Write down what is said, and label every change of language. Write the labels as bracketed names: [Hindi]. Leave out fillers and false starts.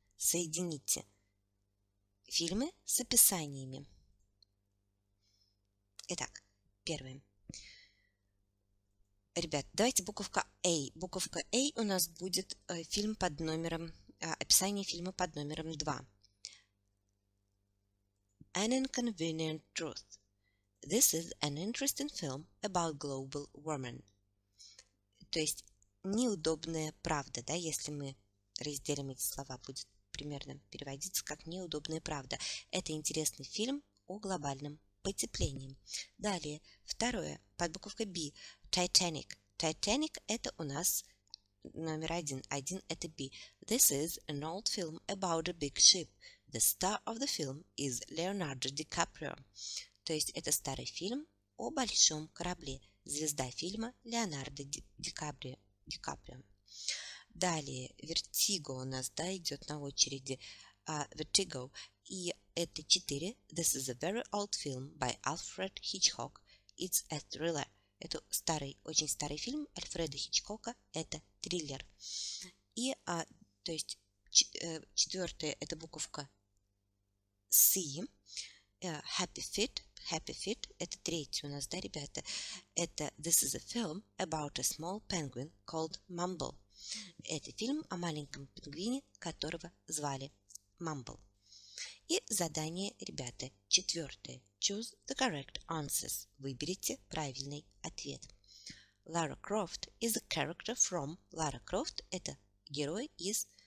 [Russian] Соедините фильмы с описаниями. Итак, первое. Ребят, давайте буковка A. Буковка A у нас будет фильм под номером, описание фильма под номером 2. [English] An Inconvenient Truth. This is an interesting film about global warming. [Russian] То есть неудобная правда, да, если мы разделим эти слова, будет примерно переводиться как неудобная правда. Это интересный фильм о глобальном потеплении. Далее, второе, под буковкой B. Titanic. Titanic – это у нас номер один. Один – это B. [English] This is an old film about a big ship. The star of the film is Leonardo DiCaprio. [Russian] То есть, это старый фильм о большом корабле. Звезда фильма – Леонардо Ди Каприо. Далее, Vertigo у нас, да, идет на очереди. Vertigo. И это четыре. [English] This is a very old film by Alfred Hitchcock. It's a thriller. [Russian] Это старый, очень старый фильм Альфреда Хичкока. Это триллер. И, а, то есть, четвертая это буковка С. [English] Happy feet. Happy feet. [Russian] Это третья у нас, да, ребята? [English] Это this is a film about a small penguin called Mumble. [Russian] Это фильм о маленьком пингвине, которого звали Mumble. И задание, ребята, четвертое. [English] Choose the correct answers. [Russian] Выберите правильный ответ. [English] Lara Croft is a character from... [Russian] Lara Croft – это герой из...